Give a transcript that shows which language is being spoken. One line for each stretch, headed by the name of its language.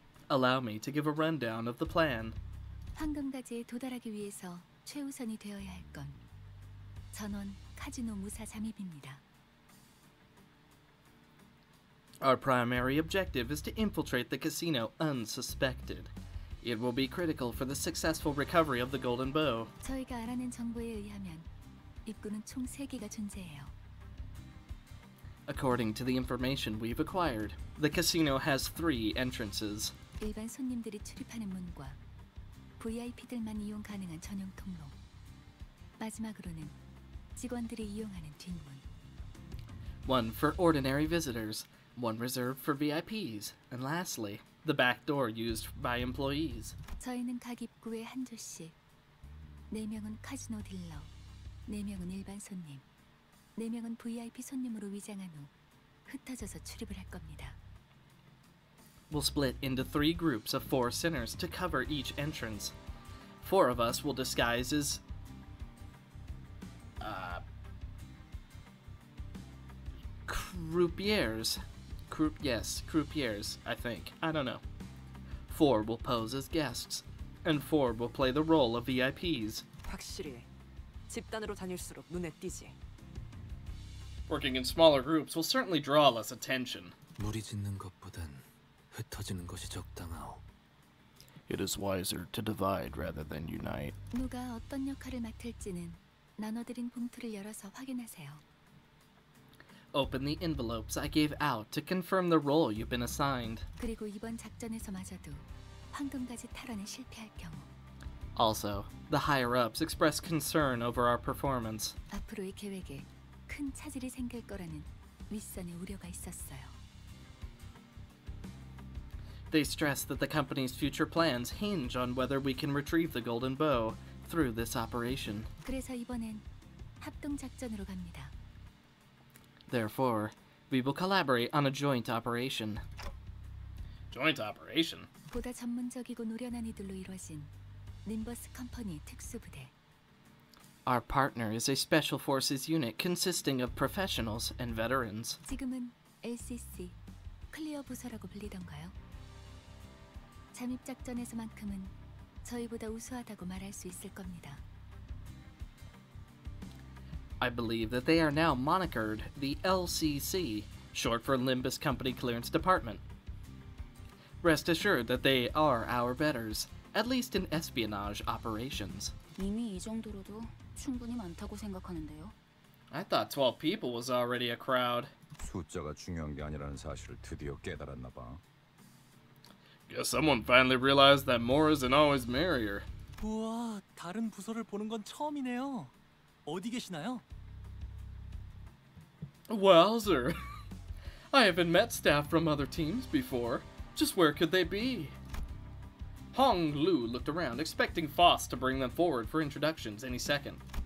English: Allow me to give a rundown of the plan.
Korean: 황금가지에 도달하기 위해서 최우선이 되어야 할 건 전원 카지노 무사 잠입입니다.
English: Our primary objective is to infiltrate the casino unsuspected. It will be critical for the successful recovery of the Golden Bow.
Korean: 저희가 알아낸 정보에 의하면 입구는 총 3개가 존재해요.
English: According to the information we've acquired, the casino has 3 entrances.
Korean: 일반 손님들이 출입하는 문과 VIP들만 이용 가능한 전용 통로. 마지막으로는 직원들이 이용하는 뒷문.
English: One for ordinary visitors. One reserved for VIPs, and lastly, the back door used by employees.
Korean: 저희는 각 입구에 한 줄씩. 네 명은 카지노 딜러, 네 명은 일반 손님, 네 명은 VIP 손님으로 위장한 후 흩어져서 출입을 할 겁니다.
English: We'll split into 3 groups of 4 sinners to cover each entrance. 4 of us will disguise as... Croupiers. Croupiers, I think. I don't know. 4 will pose as guests, and 4 will play the role of VIPs.
Korean: 확실히 집단으로 다닐수록 눈에 띄지.
English: Working in smaller groups will certainly draw less attention.
Korean: 무리 짓는 것보단 흩어지는 것이 적당하오.
English: It is wiser to divide rather than unite.
Korean: 누가 어떤 역할을 맡을지는 나눠드린 봉투를 열어서 확인하세요.
English: Open the envelopes I gave out to confirm the role you've been assigned.
Korean: 그리고 이번 작전에서마저도 황금가지 탈환에 실패할 경우.
English: Also, the higher-ups expressed concern over our performance.
Korean: 앞으로의 계획에 큰 차질이 생길 거라는 윗선의 우려가 있었어요.
English: They stressed that the company's future plans hinge on whether we can retrieve the Golden Bow through this operation.
Korean: 그래서 이번엔 합동 작전으로 갑니다.
English: Therefore, we will collaborate on a joint operation. Joint operation?
Korean: 보다 전문적이고 노련한 이들로 이루어진 Limbus Company 특수부대.
English: Our partner is a special forces unit consisting of professionals and veterans.
Korean: 지금은 LCC, 클리어 부서라고 불리던가요? 잠입 작전에서만큼은 저희보다 우수하다고 말할 수 있을 겁니다.
English: I believe that they are now monikered the LCC, short for Limbus Company Clearance Department. Rest assured that they are our betters, at least in espionage operations.
Korean: 이미 이 정도로도 충분히 많다고 생각하는데요.
English: I thought 12 people was already a crowd.
Korean: 숫자가 중요한 게 아니라는 사실을 드디어 깨달았나 봐.
English: Guess someone finally realized that more isn't always merrier.
Korean: 우와, 다른 부서를 보는 건 처음이네요. 어디 계시나요?
English: Wowzer. I haven't met staff from other teams before. Just where could they be? Hong Lu looked around, expecting Foss to bring them forward for introductions any second.